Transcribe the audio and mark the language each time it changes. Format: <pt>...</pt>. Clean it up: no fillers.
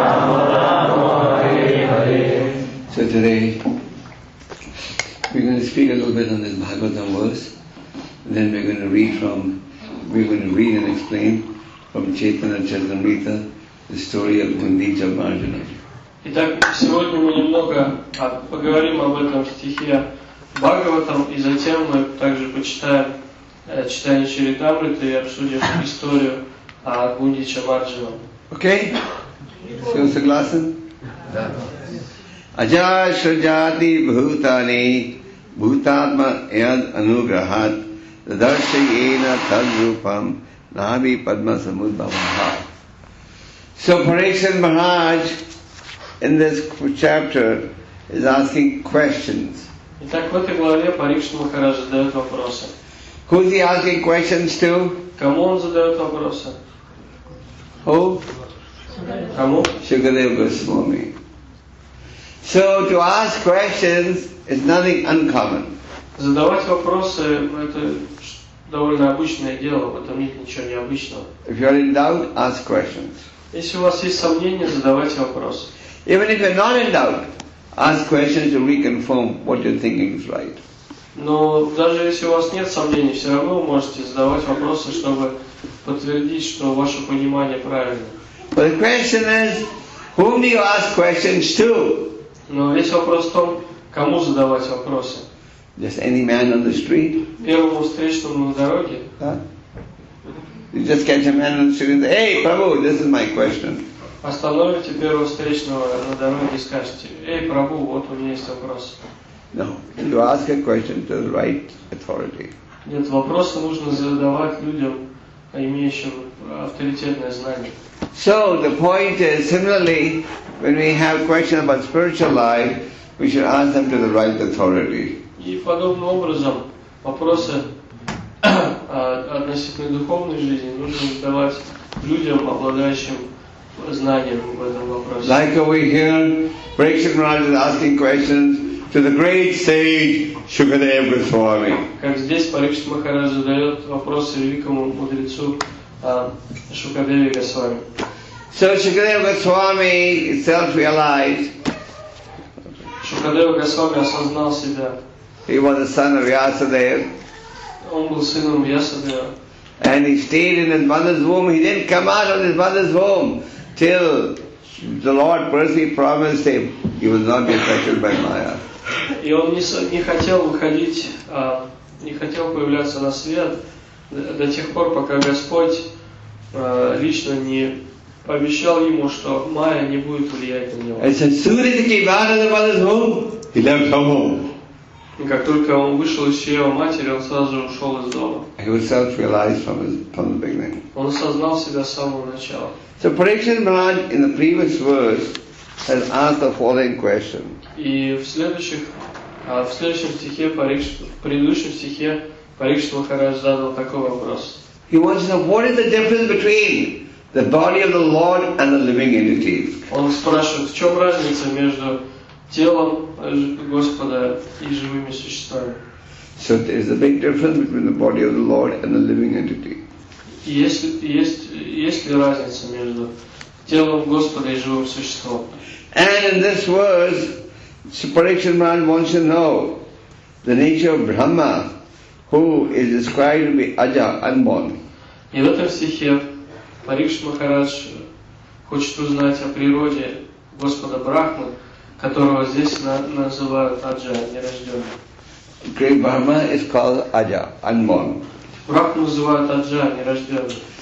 <en>So today, we're going to speak a little bit on this Bhagavatam verse, and then we're going to read from, we're going to read and explain from Chaitanya Charitamrita, the story of Gundicha Arjuna.</en> <ru>Итак, сегодня мы немного поговорим об этом стихе Бхагаватам, и затем мы также почитаем читание Чаритамриты и обсудим историю о Гундича Арджуна.</ru> <en>Okay? So,</en> <ru>согласен? Да.</ru> <sa>Аджа-шра-джати бхутане бхутатма яд ануграхат дадарша-ена тад-рупам нави падма самуд бхаваха.</sa> <en>So Parikshit Maharaj in this chapter is asking questions.</en> <ru>Итак, в этой главе Парикшит Махарадж задает вопросы.</ru> <en>Who is he asking questions to?</en> <ru>Кому он задает вопросы?</ru> <en>Who?</en> <ru>Кому?</ru> <en>Шукадева Госвами. So to ask questions is nothing uncommon.</en> <ru>Задавать вопросы – это довольно обычное дело, в этом нет ничего необычного.</ru> <en>If you are in doubt, ask questions.</en> <ru>Если у вас есть сомнения, задавайте вопросы.</ru> <en>Even if you're not in doubt, ask questions to reconfirm what you're thinking is right.</en> <ru>Но даже если у вас нет сомнений, все равно вы можете задавать вопросы, чтобы подтвердить, что ваше понимание правильно.</ru> <en>But the question is, whom do you ask questions to?</en> <ru>Но весь вопрос в том, кому задавать вопросы.</ru> <en>Just any man on the street?</en> <ru>Первому встречному на дороге.</ru> <en>You just catch a man on the street and say, hey, Prabhu, this is my question.</en> <ru>Остановите первого встречного на дороге и скажете, эй, Прабху, вот у меня есть вопрос.</ru> <en>No, you ask a question to the right authority.</en> <ru>Нет, вопросы нужно задавать людям, имеющим авторитетное знание.</ru> <en>So, the point is, similarly, when we have questions about spiritual life, we should ask them to the right authority.</en> <ru>И подобным образом, вопросы относительно духовной жизни нужно задавать людям, обладающим знанием в этом вопросе.</ru> <en>Like we hear, Parikshit Maharaj is asking questions to the great sage Shukadeva Goswami.</en> <ru>Как здесь Парикшит Махарадж задает вопросы великому мудрецу Шукадеве Госвами.</ru> <en>So Shukadeva Goswami itself realized.</en> <ru>Шукадева Госвами осознал себя.</ru> <en>He was the son of Vyasadeva.</en> <ru>Он был сыном Вьясадева.</ru> <en>And he stayed in his mother's womb. He didn't come out of his mother's womb till the Lord personally promised him he would not be affected by Maya.</en> <ru>И он не хотел выходить, не хотел появляться на свет до тех пор, пока Господь лично не пообещал ему, что Майя не будет влиять на него.</ru> <en>And as soon as he came out of the mother's womb, he left home.</en> <ru>И как только он вышел из чрева матери, он сразу же ушел из дома.</ru> <en>He was self-realized from the beginning.</en> <ru>Он осознал себя с самого начала.</ru> <en>So Parikshit Maharaj in the previous verse has asked the following question.</en> <ru>И в предыдущем стихе Парикшит Махарадж задал такой вопрос.</ru> <en>He wants to know what is the difference between the body of the Lord and the living entity.</en> <ru>Он спрашивает, в чем разница между телом Господа и живыми существами.</ru> <en>So there is a big difference between the body of the Lord and the living entity.</en> <ru>Есть ли разница между телом Господа и живым существом?</ru> <en>And in this verse, Parikshit Maharaj wants to know the nature of Brahma, who is described to be Aja, unborn.</en> <ru>И в этом стихе Парикшит Махарадж хочет узнать о природе Господа Брахмы, которого здесь называют Аджа, нерожденным.</ru> <en>Great Brahma is called Aja, unborn.</en> <ru>Брахму называют Аджа, нерожденным.</ru>